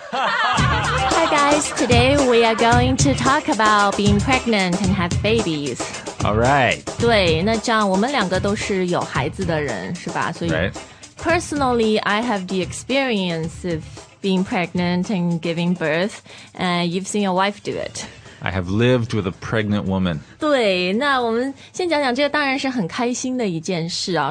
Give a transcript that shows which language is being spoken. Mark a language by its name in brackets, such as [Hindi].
[English] Hi guys, today we are going to talk about being pregnant and have babies. All right. [Chinese] 对，那这样我们两个都是有孩子的人，是吧？所以、 [English] right. Personally, I have the experience of being pregnant and giving birth, and you've seen your wife do it. I have lived with a pregnant woman. [Chinese] 对，那我们先讲讲这个当然是很开心的一件事啊。